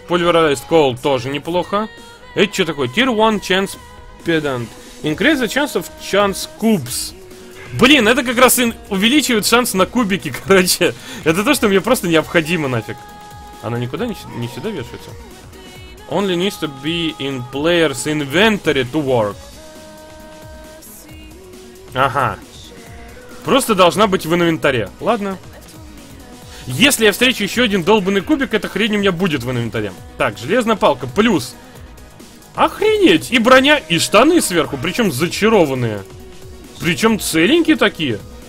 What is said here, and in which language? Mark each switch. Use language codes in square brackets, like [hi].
[ru] Pulverized Coal тоже неплохо. Это что такое? [en] Tier 1 Chance Pedant. Increase the chance of chance cubes. [ru] Блин, это как раз увеличивает шанс на кубики, короче. Это то, что мне просто необходимо нафиг. Она никуда не сюда вешается. [en] Only needs to be in player's inventory to work. [ru] Ага. Просто должна быть в инвентаре. Ладно. Если я встречу еще один долбанный кубик, эта хрень у меня будет в инвентаре. Так, железная палка, плюс. Охренеть! И броня, и штаны сверху, причем зачарованные. Причем целенькие такие.